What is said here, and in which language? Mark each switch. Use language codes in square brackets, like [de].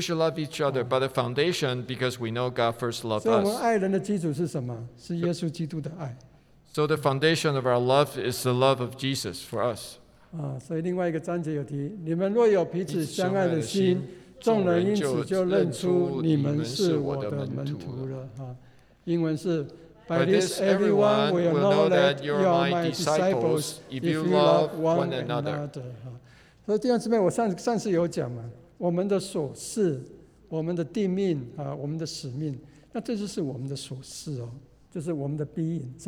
[en] should love each other, but the foundation because we know God first loved us. [zh] 所以我们爱人的基础是什么？是耶稣基督的爱。So [en] the foundation of our love is the love of Jesus for us. [zh] 所以另外一个章节有提，你们若有彼此相爱的心，众人因此就认出你们是我的门徒了。英文是。 [en] By this, everyone will know that you are my disciples if you love one another. [zh] 所以弟兄姊妹，我上次有讲嘛，我们的所事、我们的定命啊、我们的使命，那这就是我们的所事哦，就是我们的 being。